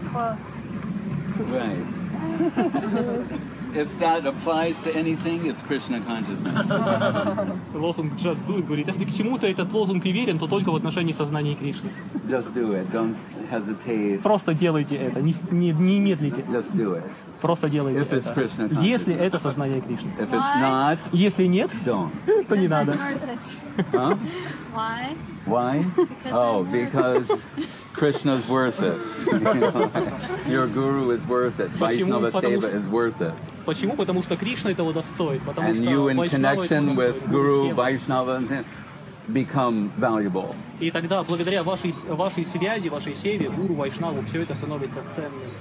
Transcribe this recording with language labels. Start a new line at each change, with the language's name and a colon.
English: It's got your famous Nike quote. Right. If that applies to anything, it's Krishna consciousness.
Russian: Лозунг
English: just do it,
Russian: говорит. Если к чему-то этот лозунг и верен, то только в отношении сознания Кришны.
English: Just do it. Don't hesitate.
Russian: Просто делайте это. Не медлите.
English: Just do it.
Russian: Просто делайте
English: if it's
Russian: это.
English: Krishna,
Russian: если это сознание Кришны.
English: If it's not,
Russian: если нет,
English: don't.
Russian: То не надо.
English: Huh? Why? Why? Because oh, because Krishna's worth it. Your guru is worth it. Vaishnava Seva is worth it.
Russian: Почему? Потому что Кришна этого достоит. Потому
English: and
Russian: что
English: you in connection with guru, Vaishnava, become valuable.
Russian: И тогда благодаря вашей связи, вашей севе, гуру, вайшнаву, все это становится ценным.